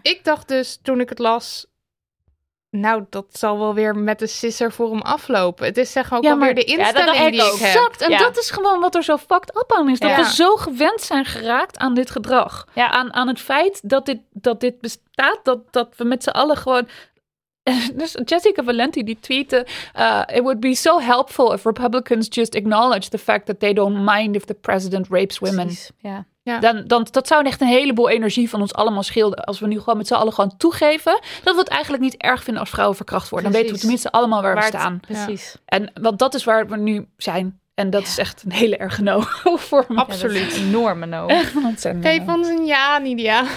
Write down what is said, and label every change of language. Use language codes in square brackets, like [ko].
[nl] Ik dacht dus toen ik het las, nou, dat zal wel weer met de sisser voor hem aflopen. Het is zeg maar ook ja, alweer de instelling ja, dat die ik heb. Exact. En ja. Dat is gewoon wat er zo fucked up aan is. Dat ja. We zo gewend zijn geraakt aan dit gedrag. Ja. Aan het feit dat dit bestaat. Dat we met z'n allen gewoon... Dus Jessica Valenti die tweette, [en] it would be so helpful if Republicans just acknowledge the fact that they don't mind if the president rapes women. [nl] Precies. Ja. Ja. Dan dat zou echt een heleboel energie van ons allemaal schelen als we nu gewoon met z'n allen gewoon toegeven dat we het eigenlijk niet erg vinden als vrouwen verkracht worden. Precies. Dan weten we tenminste allemaal waar we staan. Precies. Ja. En want dat is waar we nu zijn. En dat is echt een hele erge no voor me. Absoluut. Een enorme no. Geef ons een ja, Nidia.